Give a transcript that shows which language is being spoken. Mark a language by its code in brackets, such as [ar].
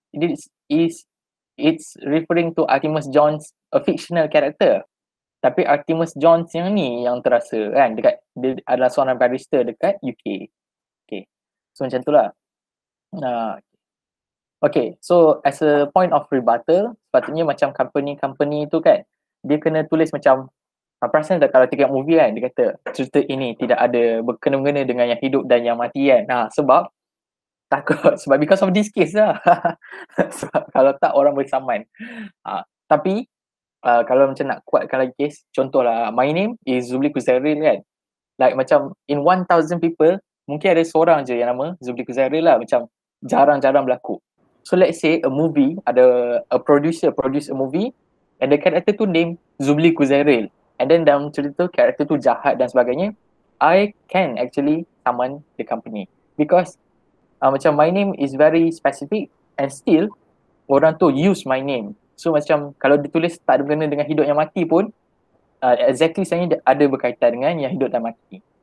[en] this is it's referring to Artemus Jones, a fictional character. [ms] Tapi Artemus Jones yang ni yang terasa kan, dekat dia adalah seorang barrister dekat UK. Okay, so macam tu lah. Okay, so [en] as a point of rebuttal, [ms] sepatutnya macam company-company tu kan, dia kena tulis macam, apa rasanya kalau tengok movie kan, dia kata cerita ini tidak ada berkena-mengena dengan yang hidup dan yang mati kan. Nah, sebab takut, sebab [en] because of this case [ms] lah. Sebab kalau tak orang boleh saman. Tapi kalau macam nak kuatkan lagi case, contohlah [en] my name is Zubli Kuzairil [ms] kan. Like macam [en] in 1,000 people, [ms] mungkin ada seorang je yang nama Zubli Kuzairil lah, macam jarang-jarang berlaku. [en] So let's say a movie, ada a producer produce a movie and the character tu name Zubli Kuzairil. And then [ms] dalam cerita tu, [en] character tu [ms] jahat dan sebagainya, [en] I can actually saman the company. Because macam my name is very specific and still orang tu use my name. [ms] So macam kalau ditulis tak ada berkena dengan hidup yang mati pun, exactly sebenarnya ada berkaitan dengan yang hidup dan mati.